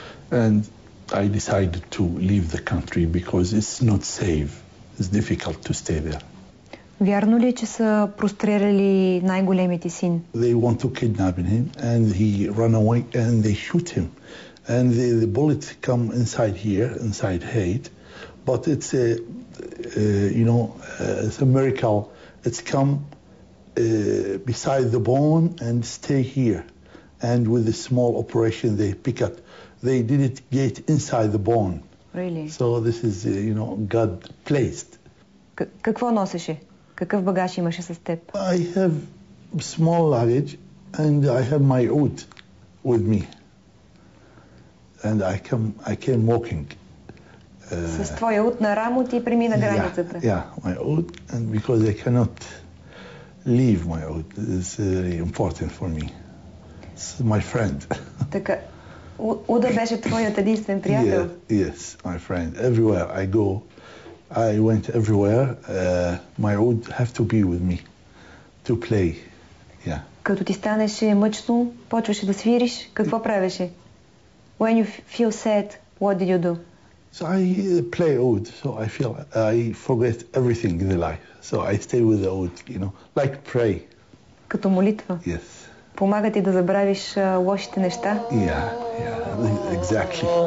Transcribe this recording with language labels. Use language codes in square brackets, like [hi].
[en] And I decided to leave the country because it's not safe. It's difficult to stay there. [bg] Вярно ли, че са простреляли най-големите син? [en] They want to kidnap him and he run away and they shoot him. And the bullets come inside here, inside head. But it's a, you know, it's a miracle. It's come beside the bone and stay here. And with a small operation they pick up. They didn't get inside the bone. Really? So this is, you know, God placed. [bg] Какво носеше? Какъв багаж имаше с теб? [en] I have small luggage and I have my oud with me. And I came walking. [bg] С твоя oud на рамо ти премина границата. [en] Yeah, my oud, and because I cannot leave my oud. It's very important for me. It's my friend. [bg] Така, oud беше твоят единствен приятел? [en] Yeah, yes, my friend. Everywhere I go, I went everywhere. My oud have to be with me to play. Yeah. [bg] Като ти станеше мъчно, почваше да свириш, какво правеше? [en] When you feel sad, what did you do? So I play oud. So I feel I forget everything in the life. So I stay with the oud, you know, like pray. [bg] Като молитва. [en] Yes. [bg] Помага ти да забравиш лошите неща. [en] Yeah, exactly.